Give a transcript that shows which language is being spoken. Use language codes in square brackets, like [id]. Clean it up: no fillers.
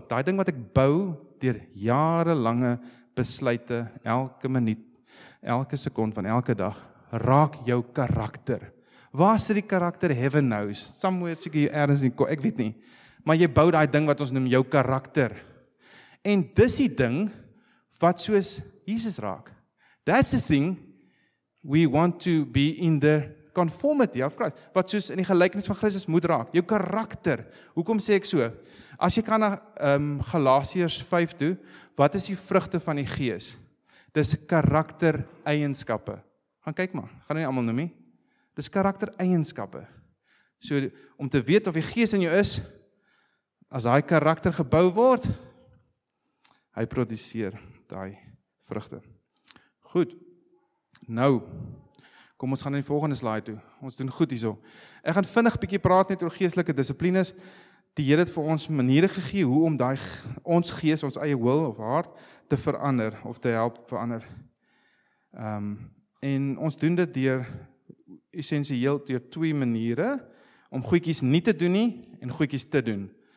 [af] Daai ding wat ek bou deur jarelange besluite, elke minuut, elke sekond van elke dag, raak jou karakter. Waar sit die karakter [en] heaven knows? Somewhere [af] seker ergens in, ek weet nie. Maar jy bou daai ding wat ons noem jou karakter. En dis die ding wat soos Jesus raak. [en] That's the thing we want to be in the conformity of Christ. [af] Wat soos in die gelykenis van Christus moet raak. Jou karakter. Hoekom sê ek so? As jy kan na Galasiërs 5 toe, wat is die vrugte van die gees? Dis karaktereienskappe. Gaan kyk maar. Gaan nie allemaal noem nie. Dis karaktereienskappe. So, om te weet of die gees in jou is, as daai karakter gebou word, hy produseer daai vrugte. Goed. Nou, kom ons gaan in die volgende slide toe. Ons doen goed hierso. Ek gaan vinnig bietjie praat net oor geestelike dissiplines. Die Here het vir ons maniere gegee hoe om daai ons gees, ons eie wil of hart te verander of te help verander. En ons doen dit deur essensieel deur twee maniere om goedjies nie te doen nie en goedjies te doen.